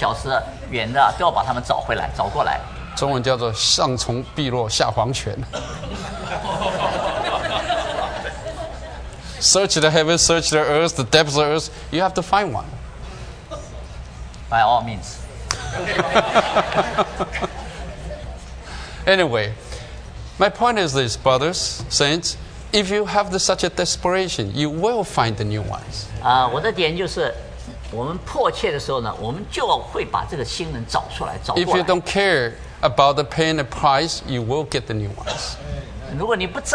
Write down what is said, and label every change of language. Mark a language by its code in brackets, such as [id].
[zh] 我们要上天下地啊，半个小时远的都要把他们找回来，找过来。中文叫做上从碧落下黄泉。 [en] Search the heaven, search the earth, the depths of earth, you have to find one. By all means. Anyway, my point is this, brothers, saints, if you have such a desperation, you will find the new ones. [zh] 我的点就是，我们迫切的时候呢，我们就会把这个新人找出来，找过来。 [en] If you don't care about the pain and price, you will get the new ones.